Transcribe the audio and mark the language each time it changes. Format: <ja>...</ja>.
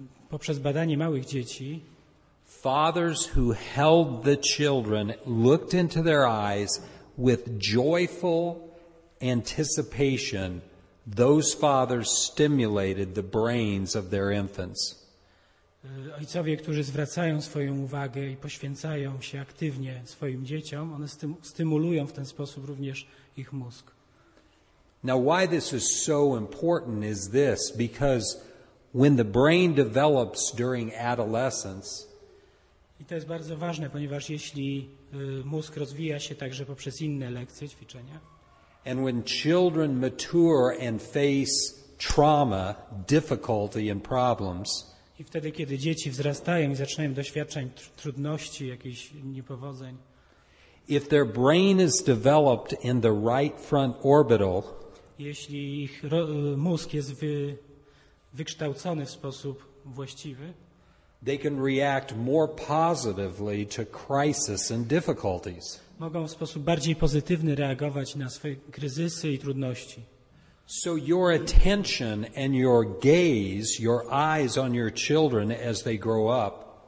<pl>poprzez badanie małych dzieci,</pl> <en>fathers who held the children looked into their eyes with joyful anticipation. Those fathers stimulated the brains of their infants.</en> <pl>Ojcowie, którzy zwracają swoją uwagę i poświęcają się aktywnie swoim dzieciom, one stymulują w ten sposób również ich mózg.</pl> <en>Now why this is so important is this, because when the brain develops during adolescence,</en> <pl>i to jest bardzo ważne, ponieważ jeśli mózg rozwija się także poprzez inne lekcje, ćwiczenia,</pl> <en>and when children mature and face trauma, difficulty and problems,</en> <pl>i wtedy, kiedy dzieci wzrastają i zaczynają doświadczać trudności, jakichś niepowodzeń,</pl> <en>if their brain is developed in the right front orbital,</en> <pl>jeśli ich mózg jest wykształcony w sposób właściwy,</pl> <en>they can react more positively to crisis and difficulties.</en> <pl>Mogą w sposób bardziej pozytywny reagować na swoje kryzysy i trudności.</pl> <en>So your attention and your gaze, your eyes on your children as they grow up.</en>